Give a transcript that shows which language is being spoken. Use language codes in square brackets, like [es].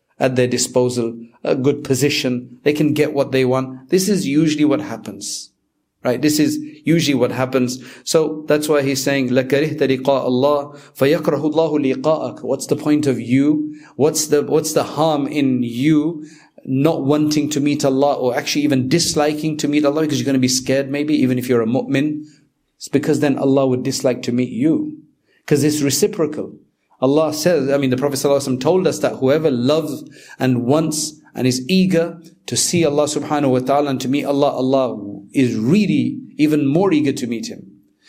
[en] at their disposal, a good position. They can get what they want. This is usually what happens, right? This is usually what happens. So that's why he's saying, [ar] لَكَرِهْتَ لِقَاءَ اللَّهِ فَيَكْرَهُ اللَّهُ لِقَاءَكَ. [en] What's the point of you? What's the harm in you not wanting to meet Allah, or actually even disliking to meet Allah, because you're going to be scared maybe, even if you're a mu'min? It's because then Allah would dislike to meet you, because it's reciprocal. Allah says, I mean, the Prophet ﷺ told us that whoever loves and wants and is eager to see Allah subhanahu wa ta'ala and to meet Allah, Allah is really even more eager to meet Him.